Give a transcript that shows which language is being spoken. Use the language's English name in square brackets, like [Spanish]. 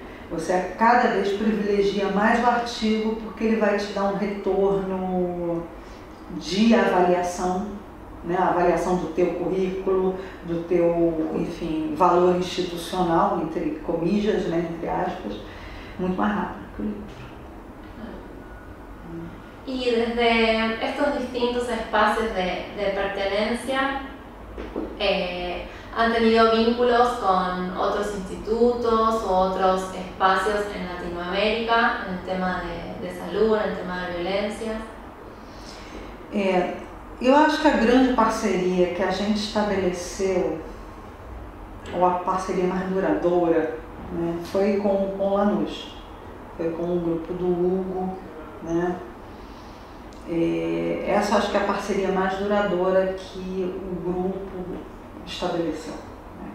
[Portuguese] Você cada vez privilegia mais o artigo porque ele vai te dar um retorno de avaliação, né? A avaliação do teu currículo, do teu, enfim, valor institucional, [Spanish] entre comillas, [Portuguese] né? Entre aspas, muito mais rápido que o livro. [Spanish] E desde estos distintos espacios de pertenencia, ¿han tenido vínculos con otros institutos o otros espacios en Latinoamérica en el tema de salud, en el tema de violencia? [Portuguese] Yo acho que a grande parceria que a gente estabeleceu, ou a parceria mais duradoura, né, foi com Lanús, foi com o grupo do Hugo, né? Essa acho que é a parceria mais duradoura que o grupo estabeleceu, né?